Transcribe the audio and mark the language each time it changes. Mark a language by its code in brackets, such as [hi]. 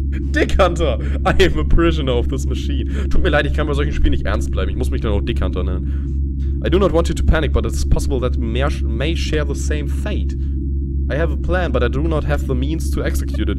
[en] Dick Hunter, I am a prisoner of this machine. [de] Tut mir leid, ich kann bei solchen Spielen nicht ernst bleiben. Ich muss mich dann auch Dick Hunter nennen. [en] I do not want you to panic, but it's possible that we may share the same fate. I have a plan, but I do not have the means to execute it.